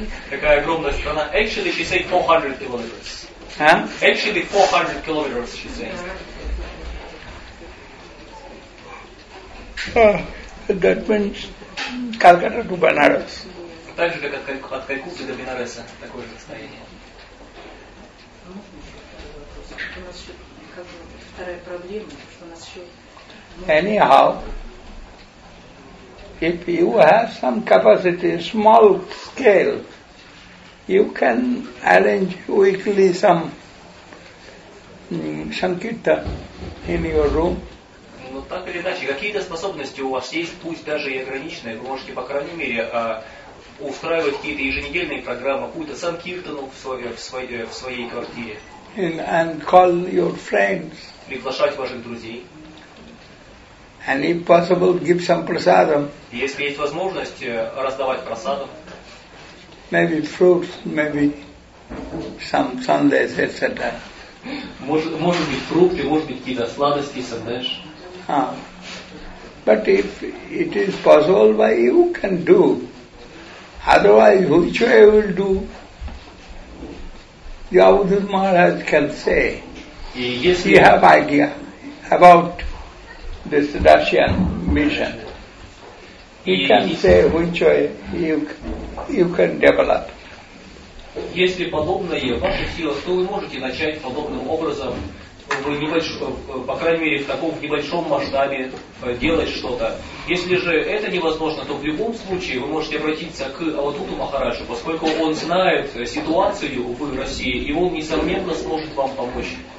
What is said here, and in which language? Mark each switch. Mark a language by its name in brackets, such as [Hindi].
[Russian] Такая огромная страна. [English] Actually, she said 400 kilometers. Actually, 400 kilometers, she says. That means Calcutta to Benares. [Russian] Так же, как от Калькутты до Бенареса, такое же расстояние. У нас еще как бы вторая проблема, что у нас еще... [English] Anyhow, if you have some capacity, small scale, you can arrange weekly some Sankirtan in your room. [Russian] Но так или иначе, какие-то способности у вас есть, пусть даже и ограниченные, вы можете, по крайней мере, устраивать какие-то еженедельные программы, какую-то санкиртану в своей квартире. [English] And call your friends. [Russian] Приглашать ваших друзей. [English] And if possible, give some prasadam. [Russian] Если есть возможность раздавать прасадам. [English] Maybe fruits, maybe some sundaes, etc. [Russian] Может быть фрукты, может быть какие-то сладости, сандеш. [English] But if it is possible by you can do. Otherwise, which way will do? The Avadhut Maharaj can say. Yes, he have idea about this Russian mission. He can say which way you can develop. [Russian] Если подобное в ваших силах, то вы можете начать подобным образом, по крайней мере, в таком небольшом масштабе делать что-то. Если же это невозможно, то в любом случае вы можете обратиться к Аватуту Махараджу, поскольку он знает ситуацию в России, и он, несомненно, сможет вам помочь.